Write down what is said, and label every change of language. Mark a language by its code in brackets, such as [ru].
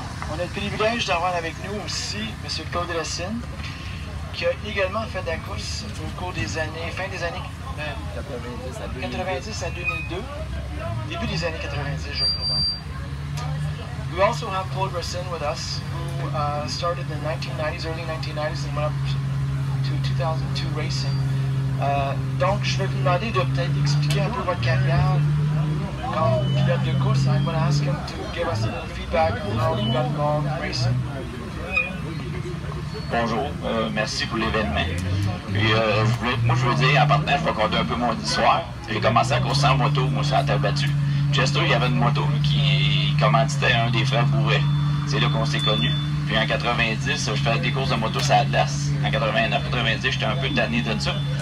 [fr] On a le privilège d'avoir avec nous aussi Monsieur Claude Lucien, qui a également fait de la course au cours des années, fin des années 90 à 2002. Début des années 90, je crois. [en] We also have Paul Russin with us, who started in the 1990s, early 1990s, and went up to 2002 racing. [fr] Donc, je vais vous demander de peut-être expliquer un peu votre carrière comme pilote de course. [en] I'm going to ask him to give us a little feedback on how you got involved in racing. [fr] Bonjour, merci pour l'événement. Puis, je veux dire, en partant, je vais raconter un peu mon histoire. J'ai commencé à course sans moto, moi, sur la terre battue. Chester, il y avait une moto qui commanditait un des frères Bourret. C'est là qu'on s'est connus. Puis en 90, je faisais des courses de moto sur Atlas. En 89-90, j'étais un peu tanné de ça.